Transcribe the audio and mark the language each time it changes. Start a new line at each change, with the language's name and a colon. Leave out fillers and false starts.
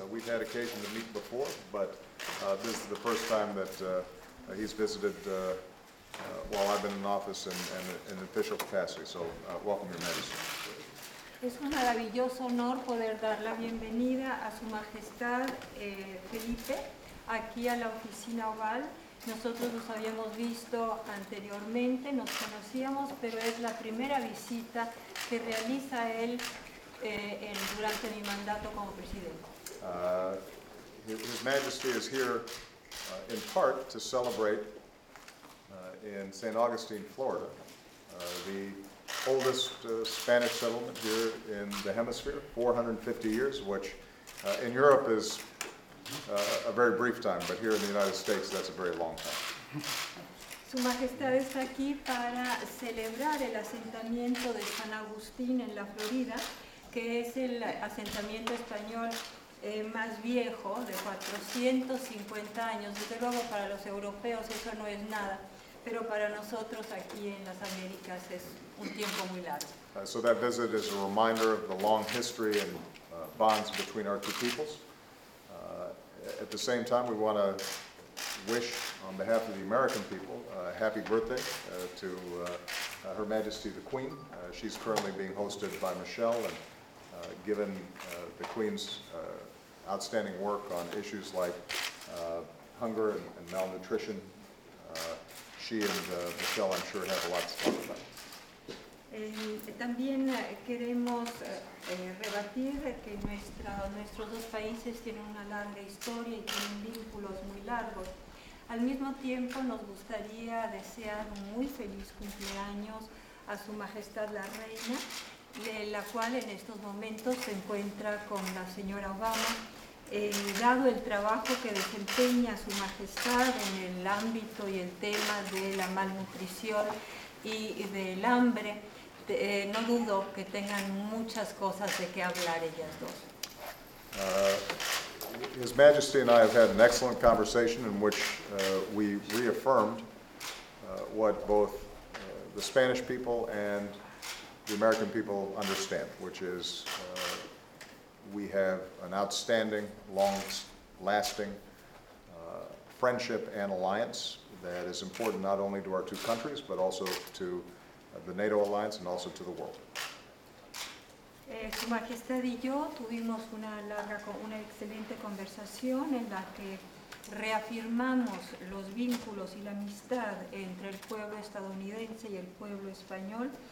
English: We've had occasion to meet before, but this is the first time that he's visited while I've been in office and in official capacity. So welcome, Your Majesty.
Spanish: Es un maravilloso honor poder dar la bienvenida a Su Majestad Felipe aquí a la oficina Oval. Nosotros nos habíamos visto anteriormente, nos conocíamos, pero es la primera visita que realiza él durante mi mandato como presidente.
English: His Majesty is here in part to celebrate in St. Augustine, Florida, the oldest Spanish settlement here in the hemisphere, 450 years, which in Europe is a very brief time, but here in the United States, that's a very long time.
Spanish: Su Majestad está aquí para celebrar el asentamiento de San Agustín en la Florida, que es el asentamiento español más viejo, de 450 años. Desde luego, para los europeos eso no es nada, pero para nosotros aquí en las Américas es un tiempo muy largo.
English: So that visit is a reminder of the long history and bonds between our two peoples. At the same time, we want to wish, on behalf of the American people, a happy birthday to Her Majesty the Queen. She's currently being hosted by Michelle, and given the Queen's outstanding work on issues like hunger and malnutrition, she and Michelle, I'm sure, have a lot to talk about.
Spanish: También queremos rebatir que nuestros dos países tienen una larga historia y tienen vínculos muy largos. Al mismo tiempo, nos gustaría desear un muy feliz cumpleaños a Su Majestad la Reina, de la cual en estos momentos se encuentra con la señora Obama. Dado el trabajo que desempeña Su Majestad en el ámbito y el tema de la malnutrición y del hambre, no dudo que tengan muchas cosas de qué hablar ellas dos.
English: His Majesty and I have had an excellent conversation in which we reaffirmed what both the Spanish people and the American people understand, which is we have an outstanding, long-lasting friendship and alliance that is important not only to our two countries, but also to the NATO alliance and also to the world.
Spanish: Su Majestad y yo tuvimos una excelente conversación en la que reafirmamos los vínculos y la amistad entre el pueblo estadounidense y el pueblo español.